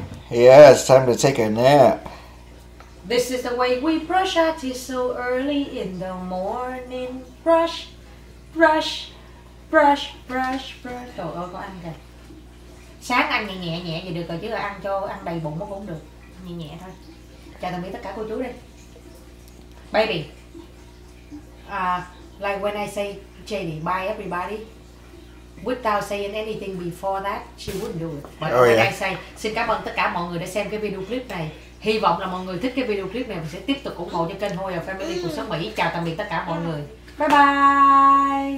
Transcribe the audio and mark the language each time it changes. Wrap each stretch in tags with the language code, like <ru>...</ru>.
<en>Yeah, it's time to take a nap. This is the way we brush our teeth so early in the morning. Brush, brush, brush, brush, brush.</en> <vi>Trời ơi, con ăn kìa. Sáng ăn nhẹ nhẹ nhẹ vậy được rồi chứ ăn cho ăn đầy bụng nó cũng được. Nhẹ nhẹ thôi. Chào tạm biệt tất cả cô chú đi.</vi> <en>Baby. Like when I say JD, bye everybody. Without saying anything before that, she wouldn't do it. But oh, yeah. I say,</en> <vi>xin cảm ơn tất cả mọi người đã xem cái video clip này. Hy vọng là mọi người thích cái video clip này và sẽ tiếp tục ủng hộ cho kênh Hoya Family của Sóc Mỹ. Chào tạm biệt tất cả mọi người.</vi> <en>Bye bye.</en>